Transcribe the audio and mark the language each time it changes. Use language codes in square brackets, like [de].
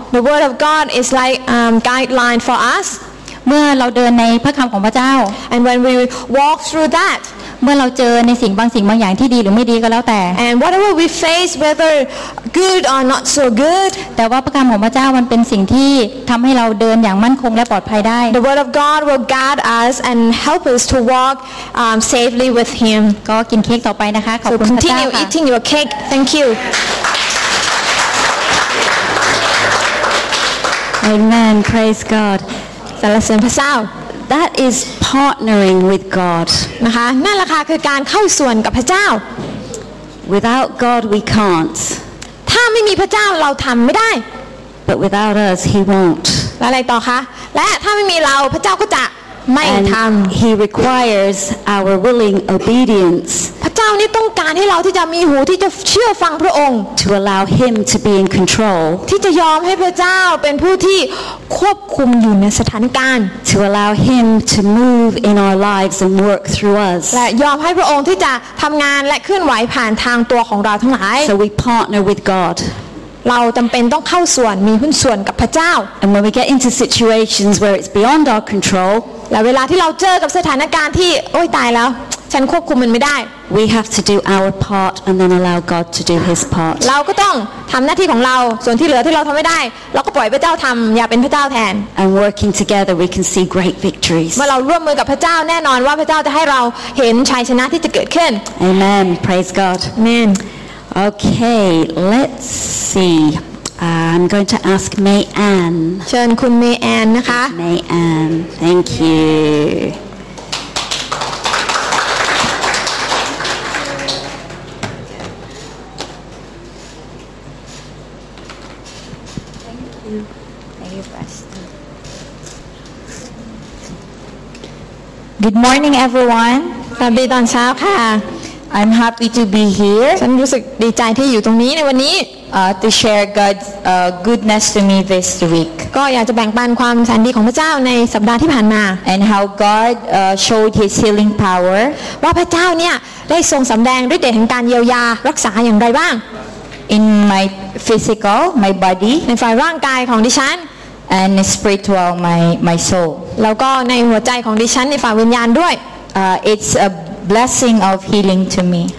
[en] The word of God is like guideline for us [th] เมื่อเราเดินในพระคำของพระเจ้า [en] And when we walk through that [th] เมื่อเราเจอในสิ่งบางอย่างที่ดีหรือไม่ดีก็แล้วแต่ [en] And whatever we face whether good or not so good [th] แต่ว่าพระคำของพระเจ้ามันเป็นสิ่งที่ทำให้เราเดินอย่างมั่นคงและปลอดภัยได้ [en] The word of God will guard us and help us to walk safely with him [th] ก็กินเค้กต่อไปนะคะขอบคุณพระเจ้าค่ะ [en] So continue eating your cake thank you Amen. Praise God. [th] สรรเสริญพระเจ้า [en] That is partnering with God. [th] นะคะนั่นล่ะค่ะคือการเข้าส่วนกับพระเจ้า [en] Without God we can't. [th] ถ้าไม่มีพระเจ้าเราทำไม่ได้ [en] But without us he won't. [th] แล้วอะไรต่อคะและถ้าไม่มีเราพระเจ้าก็จะไม่ทำ [en] And he requires our willing obedience. [th] พระเจ้านี่ต้องการให้เราที่จะมีหูที่จะเชื่อฟังพระองค์ [en] to allow him to be in control [th] ที่จะยอมให้พระเจ้าเป็นผู้ที่ควบคุมอยู่ในสถานการณ์ [en] to allow him to move in our lives and work through us [th] และยอมให้พระองค์ที่จะทำงานและเคลื่อนไหวผ่านทางตัวของเราทั้งหลาย [en] so we partner with God [th] เราจำเป็นต้องเข้าส่วนมีหุ้นส่วนกับพระเจ้า [en] and when we get into situations where it's beyond our control [th] และเวลาที่เราเจอกับสถานการณ์ที่โอ้ยตายแล้วฉันควบคุมมันไม่ได้ [en] We have to do our part and then allow God to do His part [th] เราก็ต้องทำหน้าที่ของเราส่วนที่เหลือที่เราทำไม่ได้เราก็ปล่อยพระเจ้าทำอย่าเป็นพระเจ้าแทน [en] And working together we can see great victories [th] เมื่อเราร่วมมือกับพระเจ้าแน่นอนว่าพระเจ้าจะให้เราเห็นชัยชนะที่จะเกิดขึ้น [en] Amen Praise God Amen Okay let's seeI'm going to ask May Ann. [th] เชิญคุณ May Ann นะคะ [en] May Ann, thank you. Thank you. May you rest. Good morning, everyone. [th] สวัสดีตอนเช้าค่ะ [en] I'm happy to be here. [th] ฉันรู้สึกดีใจที่อยู่ตรงนี้ในวันนี้ [en] To share God's goodness to me this week. [th] ก็อยากจะแบ่งปันความแสนดีของพระเจ้าในสัปดาห์ที่ผ่านมา [en] And how God showed His healing power. [th] ว่าพระเจ้าเนี่ยได้ทรงสำแดงฤทธิ์เดชแห่งการเยียวยารักษาอย่างไรบ้าง [en] In my physical, my body. [th] ในฝ่ายร่างกายของดิฉัน [en] And spiritual, my soul. [th] แล้วก็ในหัวใจของดิฉันในฝ่ายวิญญาณด้วย [en] It's a blessing of healing to me.